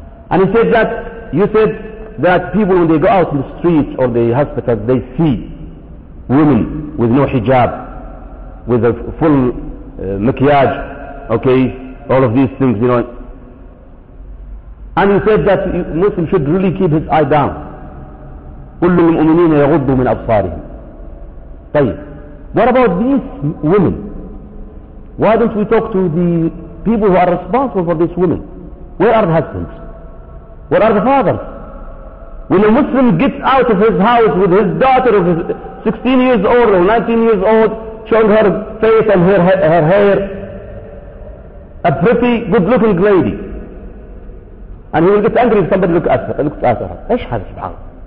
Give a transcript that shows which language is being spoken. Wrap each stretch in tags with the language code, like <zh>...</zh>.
<en>And he said that, you said that people when they go out in the streets or the hospitals, they see women with no hijab, with a full maquillage, okay, all of these things, you know. And he said that Muslim should really keep his eye down.</en> <ar>كل المؤمنين يغضوا من أبصارهم.</ar> <en>طيب, what about these women? Why don't we talk to the people who are responsible for these women? Where are the husbands? Where are the fathers? When a Muslim gets out of his house with his daughter of his 16 years old or 19 years old, showing her face and her hair, a pretty, good-looking lady, and he will get angry if somebody looks at her. Ashhad, subhanAllah.</en>